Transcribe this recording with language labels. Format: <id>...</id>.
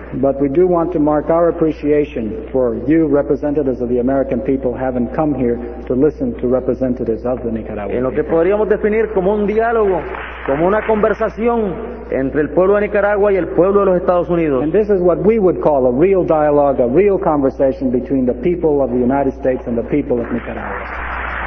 <en>But we do want to mark our appreciation for you, representatives of the American people, having come here to listen to representatives of the Nicaragua.</en> <es>En lo que podríamos definir como un diálogo, como una conversación entre el pueblo de Nicaragua y el pueblo de los Estados Unidos.</es> <en>And this is what we would call a real dialogue, a real conversation between the people of the United States and the people of Nicaragua.</en>